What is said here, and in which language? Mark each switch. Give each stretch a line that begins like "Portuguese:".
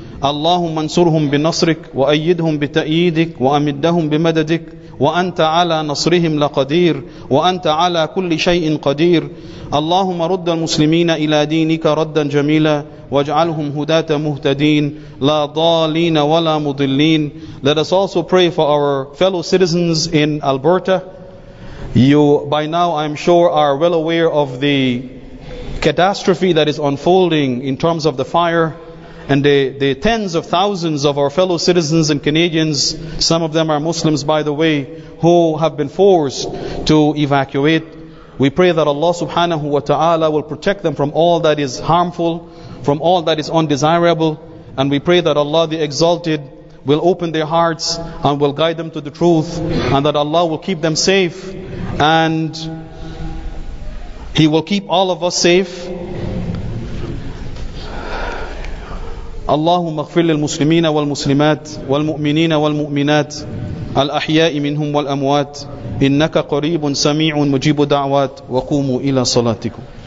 Arabic: اللهم انصرهم بنصرك وأيدهم بتأييدك وأمدهم بمددك, وأنت على نصرهم لقدير, وأنت على كل شيء قدير. اللهم رد المسلمين إلى دينك ردا جميلا, واجعلهم هداة مهتدين لا ضالين ولا مضلين.
English: Let us also pray for our fellow citizens in Alberta. You, by now I'm sure, are well aware of the catastrophe that is unfolding in terms of the fire. And the tens of thousands of our fellow citizens and Canadians, some of them are Muslims by the way, who have been forced to evacuate. We pray that Allah subhanahu wa ta'ala will protect them from all that is harmful, from all that is undesirable. And we pray that Allah the Exalted will open their hearts and will guide them to the truth. And that Allah will keep them safe. And He will keep all of us safe.
Arabic: اللهم اغفر للمسلمين والمسلمات والمؤمنين والمؤمنات الأحياء منهم والأموات إنك قريب سميع مجيب دعوات وقوموا إلى صلاتكم.